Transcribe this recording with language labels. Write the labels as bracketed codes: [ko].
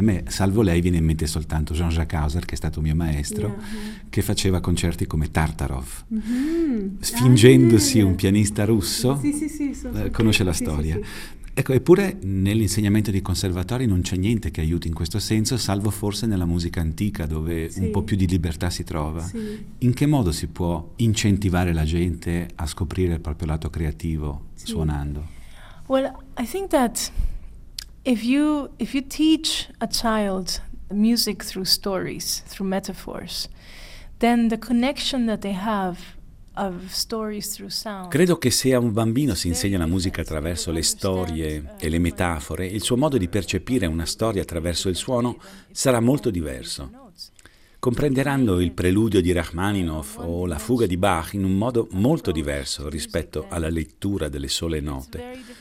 [it] A me, salvo lei, viene in mente soltanto Jean-Jacques Hauser, che è stato mio maestro, che faceva concerti come Tartarov, fingendosi un pianista russo. Conosce la storia. Ecco, eppure nell'insegnamento dei conservatori non c'è niente che aiuti in questo senso, salvo forse nella musica antica, dove un po' più di libertà si trova. In che modo si può incentivare la gente a scoprire il proprio lato creativo suonando? [en] Well, I think that if you teach a child music through stories, through metaphors, then the connection that they have of stories through sound. [it] Credo che se a un bambino si insegna la musica attraverso le storie e le metafore, il suo modo di percepire una storia attraverso il suono sarà molto diverso. Comprenderanno il preludio di Rachmaninoff o la fuga di Bach in un modo molto diverso rispetto alla lettura delle sole note.